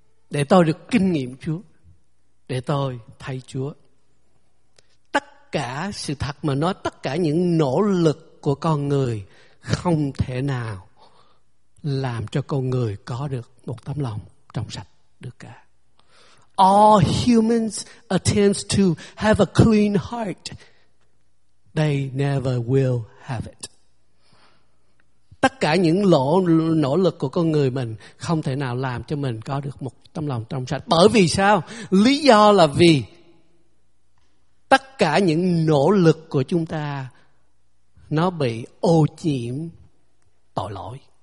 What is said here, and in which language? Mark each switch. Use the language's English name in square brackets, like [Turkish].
[Vietnamese] Để tôi được kinh nghiệm Chúa, để tôi thấy Chúa. Tất cả sự thật mà nói, tất cả những nỗ lực của con người không thể nào làm cho con người có được một tấm lòng trong sạch được cả. [English] All humans attempts to have a clean heart, they never will have it. [Vietnamese] Tất cả những nỗ lực của con người mình không thể nào làm cho mình có được một tấm lòng trong sạch. Bởi vì sao? Lý do là vì tất cả những nỗ lực của chúng ta nó bị ô nhiễm tội lỗi.